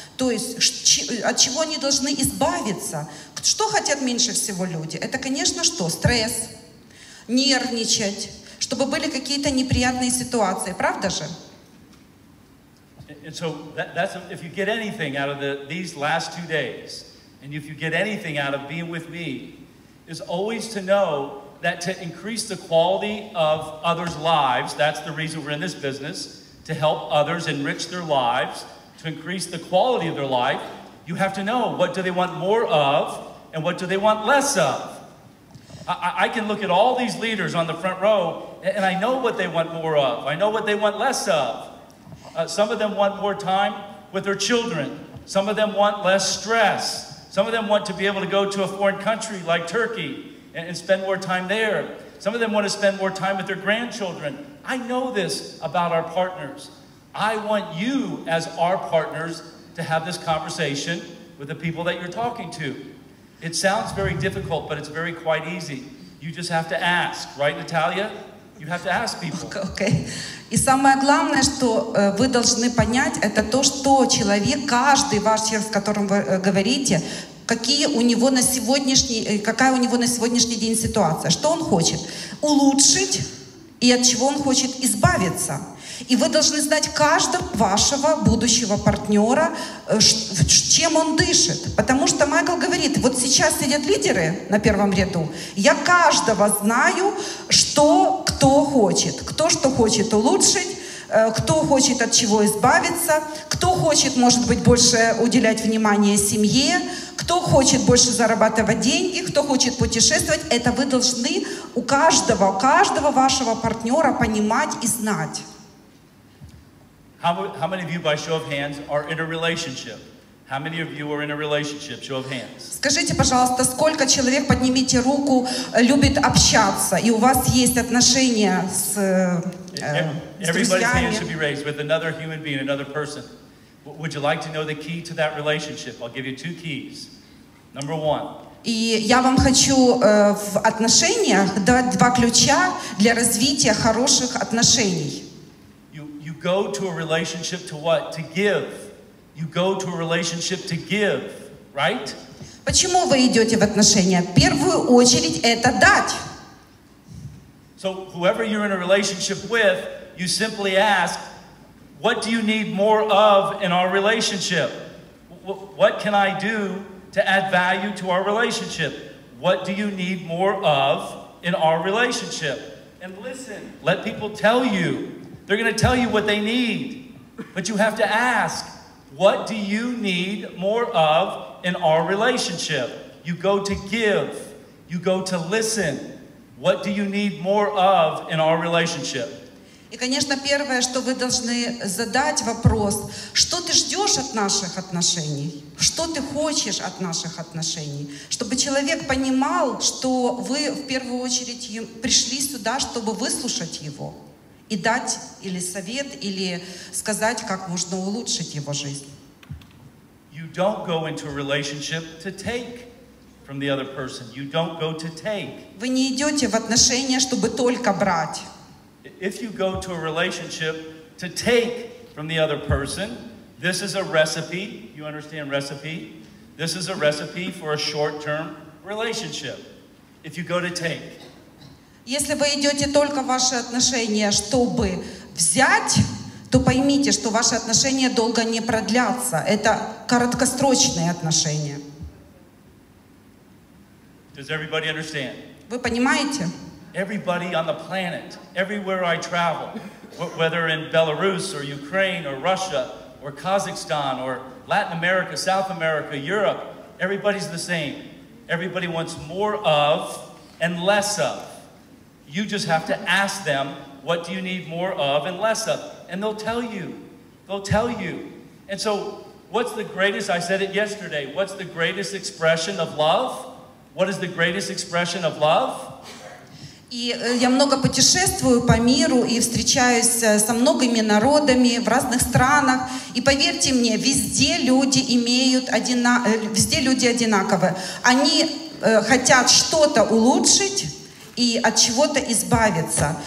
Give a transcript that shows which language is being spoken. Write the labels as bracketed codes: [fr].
[ru] То есть от чего они должны избавиться. Что хотят меньше всего люди? Это, конечно, что? Стресс, нервничать, чтобы были какие-то неприятные ситуации. Правда же? [en] And so that's if you get anything out of these last two days, and if you get anything out of being with me, is always to know that to increase the quality of others' lives, that's the reason we're in this business, to help others enrich their lives, to increase the quality of their life, you have to know what do they want more of and what do they want less of. I can look at all these leaders on the front row and I know what they want more of. I know what they want less of. Some of them want more time with their children. Some of them want less stress. Some of them want to be able to go to a foreign country like Turkey and spend more time there. Some of them want to spend more time with their grandchildren. I know this about our partners. I want you as our partners to have this conversation with the people that you're talking to. It sounds very difficult, but it's very quite easy. You just have to ask, right, Natalia? You have to ask people. Okay, okay. [ru] И самое главное, что вы должны понять, это то, что человек, каждый ваш человек, с которым вы говорите, какие у него на сегодняшний, какая у него на сегодняшний день ситуация, что он хочет улучшить и от чего он хочет избавиться. И вы должны знать каждого вашего будущего партнера, чем он дышит. Потому что Майкл говорит, вот сейчас сидят лидеры на первом ряду, я каждого знаю, что кто хочет. Кто что хочет улучшить, кто хочет от чего избавиться, кто хочет, может быть, больше уделять внимание семье, кто хочет больше зарабатывать деньги, кто хочет путешествовать. Это вы должны у каждого вашего партнера понимать и знать. [en] How many of you, by show of hands, are in a relationship? How many of you are in a relationship? Show of hands. [ru] Скажите, пожалуйста, сколько человек, поднимите руку, любит общаться, и у вас есть отношения с друзьями? [en] Everybody's hand should be raised with another human being, another person. Would you like to know the key to that relationship? I'll give you two keys. Number one. [ru] И я вам хочу в отношениях дать два ключа для развития хороших отношений. [en] You go to a relationship to what? To give. You go to a relationship to give, right? [ru] Почему вы идете в отношения? В первую очередь это дать. [en] So whoever you're in a relationship with, you simply ask, what do you need more of in our relationship? What can I do to add value to our relationship? What do you need more of in our relationship? And listen, let people tell you. They're going to tell you what they need, but you have to ask, what do you need more of in our relationship? You go to give, you go to listen. What do you need more of in our relationship? [ru] И, конечно, первое, что вы должны задать вопрос, что ты ждешь от наших отношений? Что ты хочешь от наших отношений? Чтобы человек понимал, что вы в первую очередь пришли сюда, чтобы выслушать его. И дать или совет, или сказать, как можно улучшить его жизнь. [en] You don't go into a relationship to take from the other person. You don't go to take. [ru] Вы не идете в отношения, чтобы только брать. [en] If you go to a relationship to take from the other person, this is a recipe, you understand recipe? This is a recipe for a short-term relationship. If you go to take. [ru] Если вы идете только в ваши отношения, чтобы взять, то поймите, что ваши отношения долго не продлятся. Это краткосрочные отношения. [en] Does everybody understand? [ru] Вы понимаете? [en] Everybody on the planet, everywhere I travel, whether in Belarus or Ukraine or Russia or Kazakhstan or Latin America, South America, Europe, everybody's the same. Everybody wants more of and less of. You just have to ask them, what do you need more of and less of? And they'll tell you. They'll tell you. And so, what's the greatest, I said it yesterday, what's the greatest expression of love? What is the greatest expression of love? [ru] И я много путешествую по миру и встречаюсь со многими народами в разных странах. И поверьте мне, везде люди имеют везде люди одинаковы. Они хотят что-то улучшить, и от чего-то избавиться.